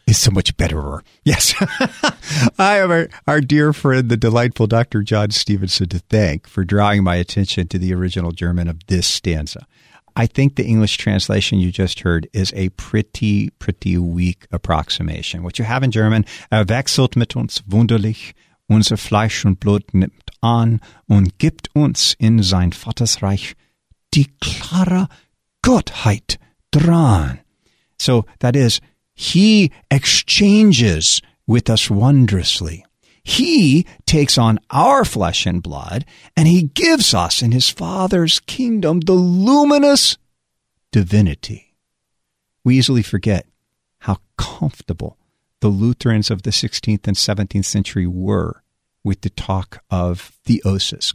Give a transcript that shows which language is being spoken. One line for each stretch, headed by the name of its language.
English: It's so much better. Yes. I have our dear friend, the delightful Dr. John Stevenson, to thank for drawing my attention to the original German of this stanza. I think the English translation you just heard is a pretty, pretty weak approximation. What you have in German,
German: er wechselt mit uns wunderlich. Unser Fleisch und Blut nimmt an und gibt uns in sein Vatersreich die klare Gottheit dran.
English: So that is, he exchanges with us wondrously. He takes on our flesh and blood, and he gives us in his Father's kingdom the luminous divinity. We easily forget how comfortable the Lutherans of the 16th and 17th century were with the talk of theosis.